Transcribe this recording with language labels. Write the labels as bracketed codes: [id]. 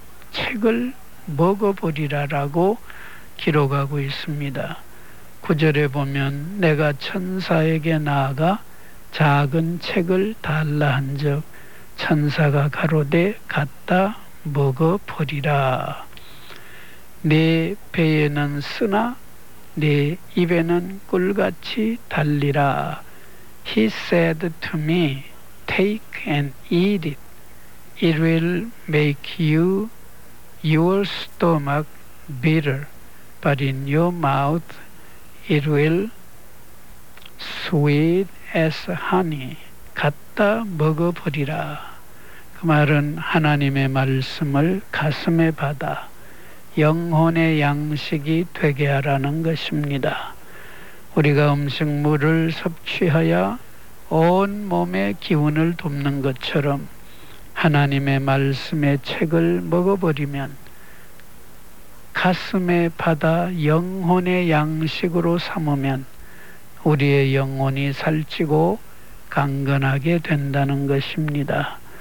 [ko] 책을 먹어버리라라고 기록하고 있습니다. 9절에 보면 내가 천사에게 나아가 작은 책을 달라 한적 천사가 가로되 갖다 먹어버리라. 내 배에는 쓰나 내 입에는 꿀같이 달리라. [en] He said to me, take and eat it. It will make your stomach bitter, but in your mouth it will sweet as honey. [ko] 갖다 먹어버리라. 그 말은 하나님의 말씀을 가슴에 받아 영혼의 양식이 되게 하라는 것입니다. 우리가 음식물을 섭취하여 온 몸의 기운을 돕는 것처럼 하나님의 말씀의 책을 먹어버리면 가슴에 받아 영혼의 양식으로 삼으면 우리의 영혼이 살찌고 강건하게 된다는 것입니다.